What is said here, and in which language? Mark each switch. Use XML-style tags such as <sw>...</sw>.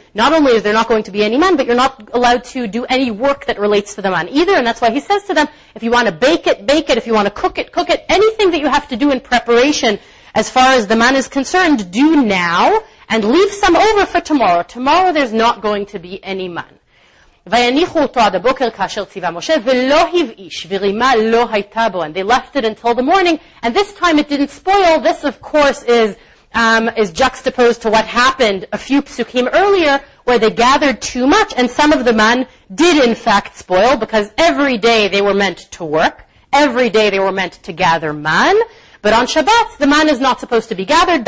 <en>Not only is there not going to be any man, but you're not allowed to do any work that relates to the man either, and that's why he says to them, if you want to bake it, bake it, if you want to cook it, cook it. Anything that you have to do in preparation as far as the man is concerned, do now, and leave some over for tomorrow. Tomorrow there's not going to be any man.</en> <he>ויניחו אותו עד הבוקר כאשר ציווה משה ולא הבאיש ורימה לא הייתה בו.</he> <en>And they left it until the morning, and this time it didn't spoil. This, of course, is juxtaposed to what happened a few psukim earlier, where they gathered too much, and some of the man did in fact spoil, because every day they were meant to work, every day they were meant to gather man, but on Shabbat the man is not supposed to be gathered.</en>